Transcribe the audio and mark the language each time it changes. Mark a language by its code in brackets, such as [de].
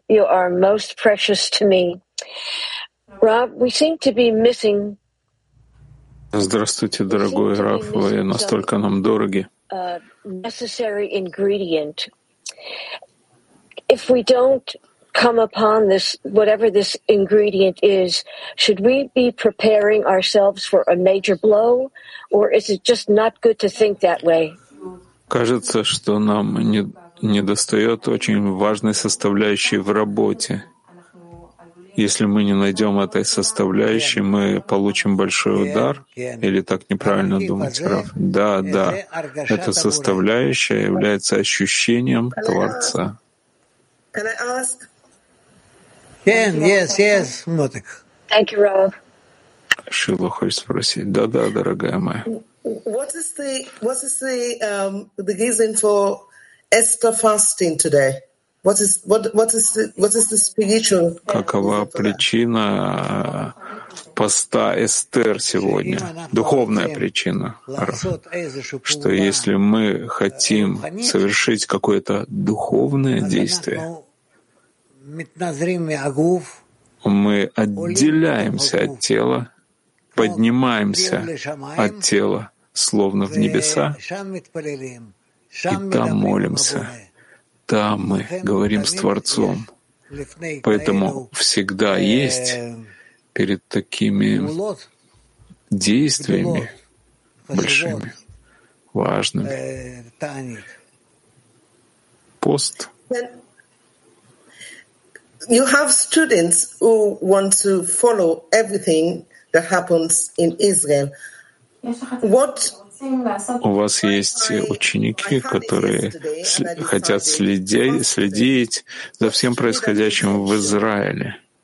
[en] You are most precious to me. Rav, we seem to be missing... [ru] Здравствуйте, дорогой Рав. Вы настолько нам дороги. [en] ...necessary ingredient. If we don't come upon this, whatever this ingredient is, should we be preparing ourselves for a major blow, or is it just not good to think that way? [ru] Кажется, что нам недостает очень важной составляющей в работе. Если мы не найдем этой составляющей, мы получим большой удар, или так неправильно думать, Раф? Да, да. Эта составляющая является ощущением Творца. [en] Can I ask? Yes, Мотик. Thank you, Rav. [ru] Шила хочет спросить. Да, дорогая моя. [en] What is the reason for Esther fasting today? What is the spiritual? [ru] Какова причина поста Эстер сегодня? Духовная причина, Рав. Что если мы хотим совершить какое-то духовное действие, мы отделяемся от тела, поднимаемся от тела, словно в небеса, и там молимся, там мы говорим с Творцом. Поэтому всегда есть перед такими действиями большими, важными, пост. [en] You have students who want to follow everything that happens in Israel. What? [ru] У вас есть ученики, которые хотят следить за всем происходящим в Израиле.